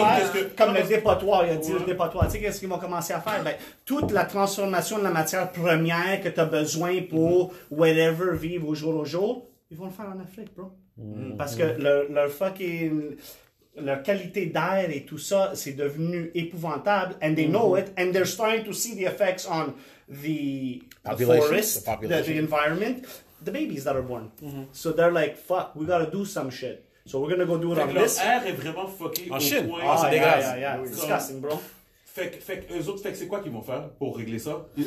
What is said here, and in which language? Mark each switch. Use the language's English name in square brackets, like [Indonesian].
[French] Tu sais qu'est-ce qu'ils vont commencer à faire? Ben, toute la transformation de la matière première que tu as besoin pour whatever vivre au jour au jour, ils vont le faire en Afrique, bro. Parce que leur fucking... leur qualité d'air et tout ça, c'est devenu épouvantable. [English] And they know it. And they're starting to see the effects on the forest, the environment, the babies that are born. Mm-hmm. So they're like, fuck, we gotta do some shit. So we're gonna go do it on this. [French] L'air est vraiment fucké. En Chine. [English] Disgusting, bro. [French] Fait que c'est quoi qu'ils vont faire pour régler ça?